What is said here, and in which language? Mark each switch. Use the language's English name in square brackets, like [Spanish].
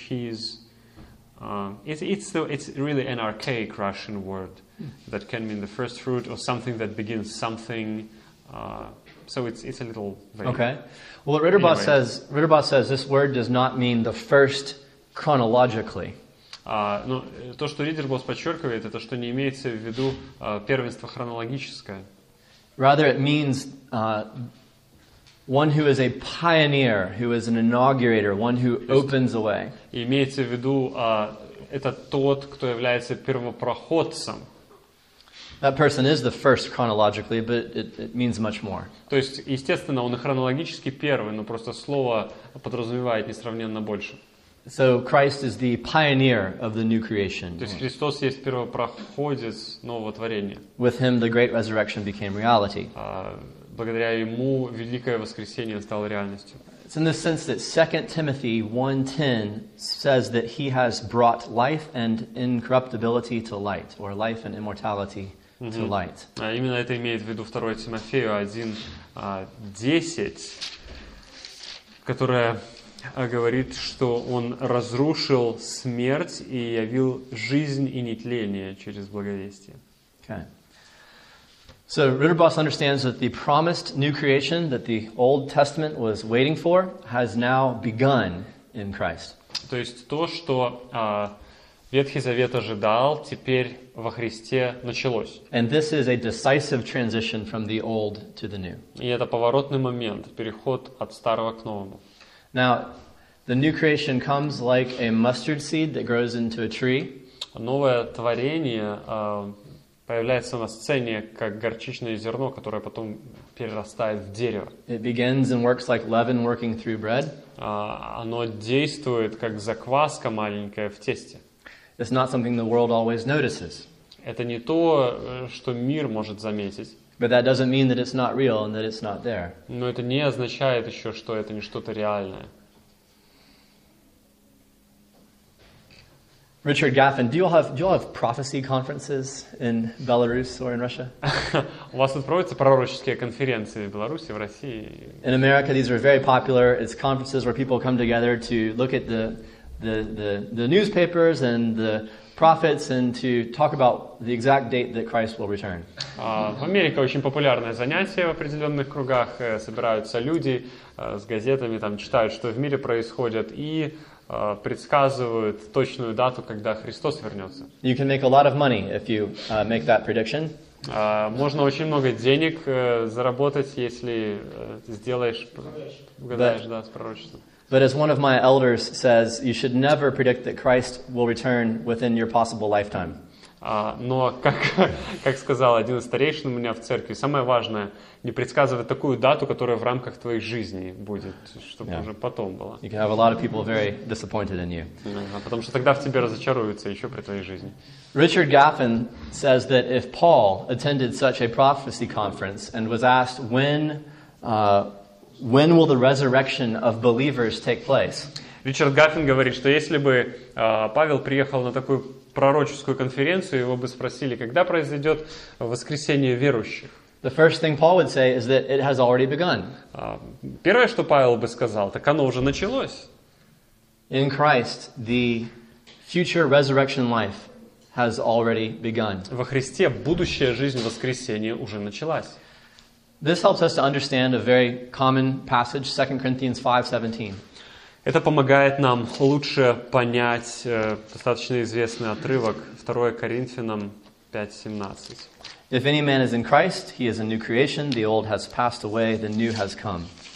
[English] He's it's really an archaic Russian word that can mean the first fruit or something that begins something. So it's a little vague. Okay. Well, what Ritterbaugh says this word does not mean the first chronologically. [Russian] То, что Ritterbaugh подчеркивает, это что не имеется в виду первенство хронологическое. [English] Rather, it means one who is a pioneer, who is an inaugurator, one who opens the way. [Russian] Имеется в виду это тот, кто является первопроходцем. [English] That person is the first chronologically, but it means much more. [Russian] То есть, естественно, он и хронологически первый, но просто слово подразумевает несравненно больше. [English] So Christ is the pioneer of the new creation. [Russian] То есть Христос есть первопроходец нового творения. [English] With him the great resurrection became reality. [Russian] Благодаря ему великое воскресение стало реальностью. [English] It's in the sense that 2 Timothy 1:10 says that he has brought life and incorruptibility to light, or life and immortality to light. [Russian] Именно это имеет в виду 2 Тимофею 1:10, которая говорит, что он разрушил смерть и явил жизнь и нетление через благовестие. [English] Okay. So Ritterbos understands that the promised new creation that the Old Testament was waiting for has now begun in Christ. [Russian] То есть то, что Ветхий Завет ожидал, теперь во Христе началось. [English] And this is a decisive transition from the old to the new. [Russian] И это поворотный момент, переход от старого к новому. [English] Now, the new creation comes like a mustard seed that grows into a tree. [Russian] Новое творение появляется на сцене как горчичное зерно, которое потом перерастает в дерево. [English] It begins and works like leaven working through bread. [Russian] Оно действует как закваска маленькая в тесте. [English] It's not something the world always notices. [Russian] Это не то, что мир может заметить. [English] But that doesn't mean that it's not real and that it's not there. [Russian] Но это не означает еще, что это не что-то реальное. [English] Richard Gaffin, do you all have prophecy conferences in Belarus or in Russia? [Russian] У вас проводятся пророческие конференции в Беларуси, в России? [English] In America, these are very popular. It's conferences where people come together to look at the newspapers and the prophets and to talk about the exact date that Christ will return. [Russian] В Америке очень популярное занятие в определенных кругах. Собираются люди с газетами, там читают, что в мире происходит, и предсказывают точную дату, когда Христос вернется. [English] You can make a lot of money if you make that prediction. [Russian] Можно очень много денег заработать, если сделаешь, угадаешь, да, с пророчеством. [English] But as one of my elders says, you should never predict that Christ will return within your possible lifetime. [Russian] Но как сказал один из старейшин у меня в церкви, самое важное не предсказывать такую дату, которая в рамках твоей жизни будет, чтобы уже потом было. [English] You can have a lot of people very disappointed in you. [Russian] Потому что тогда в тебе разочаруются еще при твоей жизни. [English] Richard Gaffin says that if Paul attended such a prophecy conference and was asked when will the resurrection of believers take place? [Russian] Ричард Гаффин говорит, что если бы Павел приехал на такую пророческую конференцию, его бы спросили, когда произойдет воскресение верующих. [English] The first thing Paul would say is that it has already begun. [Russian] Первое, что Павел бы сказал, так оно уже началось. [English] In Christ, the future resurrection life has already begun. [Russian] Во Христе будущая жизнь воскресения уже началась. [English] This helps us to understand a very common passage, 2 Corinthians 5:17. [Russian] Это помогает нам лучше понять достаточно известный отрывок 2 Коринфянам 5:17. [English] If any man is in Christ, he is a new creation. The old has passed away, the new has come.